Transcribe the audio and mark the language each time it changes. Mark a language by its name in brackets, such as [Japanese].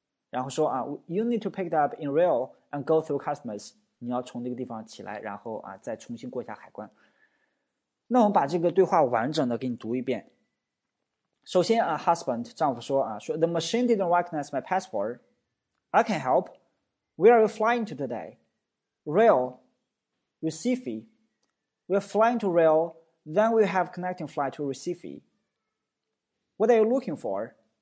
[Chinese] 然后说啊， [English] you need to pick it up in rail and go through customs。 [Chinese] 你要从那个地方起来，然后啊，再重新过一下海关。那我们把这个对话完整的给你读一遍。首先啊 [English] ，husband [Chinese] 丈夫说啊，说 [English] The machine didn't recognize my passport. I can help. Where are you flying to today? Rail, Recife. We're flying to Rail. Then we have connecting flight to Recife. What are you looking for?